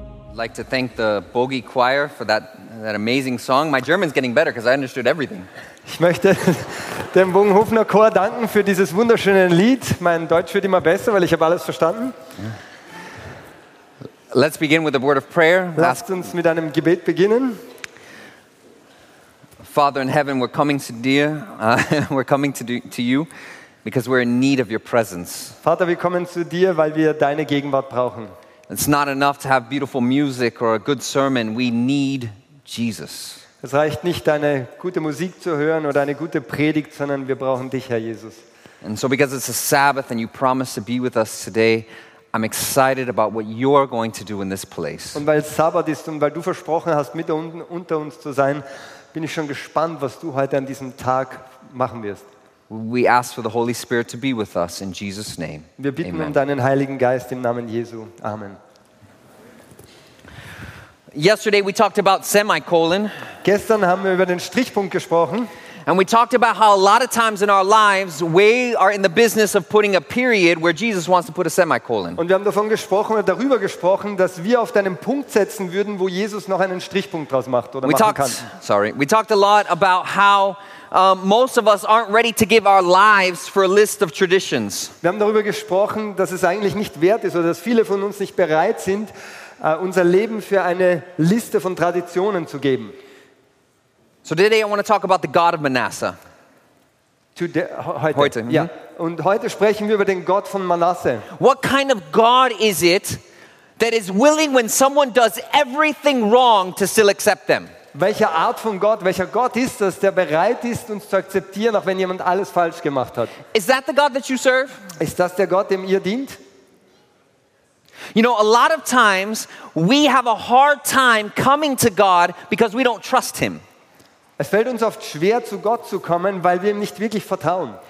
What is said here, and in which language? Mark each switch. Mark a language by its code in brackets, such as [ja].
[en] I'd like to thank the Bogie Choir for that amazing song. My German's getting better because I understood everything. [de] Ich möchte dem Bogenhofener Chor danken für dieses wunderschöne Lied. Mein Deutsch wird immer besser, weil ich habe alles verstanden. [en] Let's begin with a word of prayer. [de] Lasst uns mit einem Gebet beginnen. [en] Father in heaven, we're coming to dear, we're coming to you because we're in need of your presence. [de] Vater, wir kommen zu dir, weil wir deine Gegenwart brauchen. [en] It's not enough to have beautiful music or a good sermon. We need Jesus. [de] Es reicht nicht, eine gute Musik zu hören oder eine gute Predigt, sondern wir brauchen dich, Herr Jesus. [en] And so because it's a Sabbath and you promised to be with us today, I'm excited about what you're going to do in this place. [de] Und weil es Sabbat ist und weil du versprochen hast, mit unter uns zu sein, bin ich schon gespannt, was du heute an diesem Tag machen wirst. [en] We ask for the Holy Spirit to be with us in Jesus' name. [de] Wir bitten Amen. Um deinen Heiligen Geist im Namen Jesu. Amen. [en] Yesterday we talked about semicolon. [de] Gestern haben wir über den Strichpunkt gesprochen. [en] And we talked about how a lot of times in our lives we are in the business of putting a period where Jesus wants to put a semicolon. [de] Und wir haben davon gesprochen oder darüber gesprochen, dass wir auf einen Punkt setzen würden, wo Jesus noch einen Strichpunkt draus macht oder machen kann. [en] We talked a lot about how most of us aren't ready to give our lives for a list of traditions. [de] Wir haben darüber gesprochen, dass es eigentlich nicht wert ist oder dass viele von uns nicht bereit sind, unser Leben für eine Liste von Traditionen zu geben. [en] So today I want to talk about the God of Manasseh. [de] Heute. Ja. Und heute sprechen wir über den Gott von Manasseh. [en] What kind of God is it that is willing when someone does everything wrong to still accept them? [de] Welcher Art von Gott, welcher Gott ist das, der bereit ist, uns zu akzeptieren, auch wenn jemand alles falsch gemacht hat? [en] Is that the God that you serve? [de] Ist das der Gott, dem ihr dient? [en] You know, a lot of times we have a hard time coming to God because we don't trust him. [de] Es fällt uns oft schwer, zu Gott zu kommen, weil wir ihm nicht wirklich vertrauen.